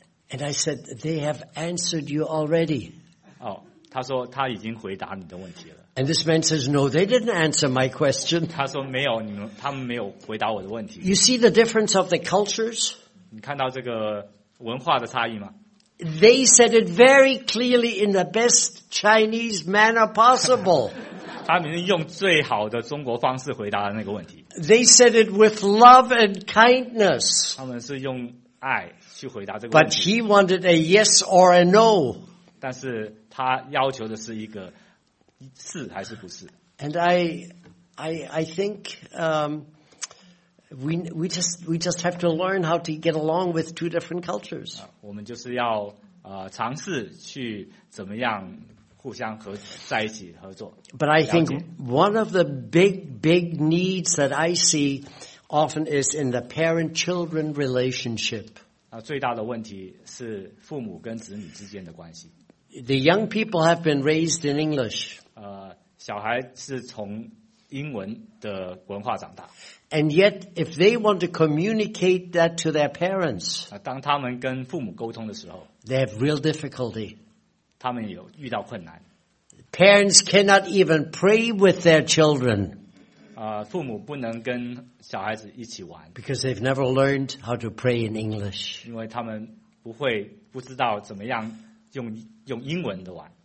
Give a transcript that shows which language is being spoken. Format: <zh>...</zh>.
<en>And I said, they have answered you already.</en> <zh>哦，他说他已经回答你的问题了。</zh> <en>And this man says, no, they didn't answer my question.</en> <zh>他说没有，你们，他们没有回答我的问题。</zh> <en>You see the difference of the cultures?</en> <zh>你看到这个文化的差异吗？</zh> <en>They said it very clearly in the best Chinese manner possible.</en> <zh>他们用最好的中国方式回答了那个问题。</zh> <en>They said it with love and kindness.</en> <zh>他们是用爱去回答这个问题。</zh> <en>But he wanted a yes or a no.</en> <zh>但是他要求的是一个是还是不是。</zh> <en>And I think we just have to learn how to get along with two different cultures.</en> <zh>我们就是要尝试去怎么样互相合在一起合作。</zh> <en>But I think one of the big needs that I see often is in the parent-children relationship.</en> <zh>最大的问题是父母跟子女之间的关系。</zh> <en>The young people have been raised in English.</en> <zh>小孩是从英文的文化长大。</zh> <en>And yet, if they want to communicate that to their parents,</en> <zh>当他们跟父母沟通的时候</zh> <en>they have real difficulty.</en> <zh>他们有遇到困难。</zh> <en>Parents cannot even play with their children.</en> <zh>父母不能跟小孩子一起玩。</zh> <en>Because they've never learned how to pray in English.</en> <zh>因为他们不知道怎么样用英文的玩。</zh>